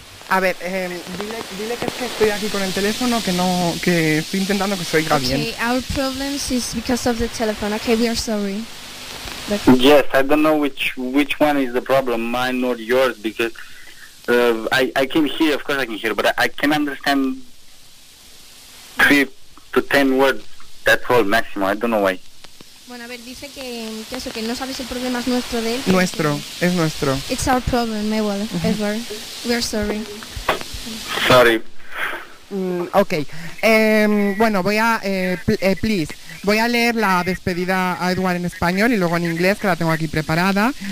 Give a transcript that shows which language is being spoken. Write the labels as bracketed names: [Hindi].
[Spanish] A ver, dile que es que estoy aquí con el teléfono, que estoy intentando que se oiga bien. [English] Okay, our problems is because of the telephone. Okay, we are sorry. But yes, I don't know which one is the problem, mine or yours, because I can hear, of course I can hear, but I can understand 3 to 10 words, that's all, máximo, I don't know why. [Spanish] Bueno, a ver, dice que eso, que no sabes el problema es nuestro de él. Nuestro, es nuestro. [English] It's our problem, Mabel, Edward. We're sorry. Sorry. [Spanish] Ok. Bueno, voy a... please. Voy a leer la despedida a Edward en español y luego en inglés, que la tengo aquí preparada.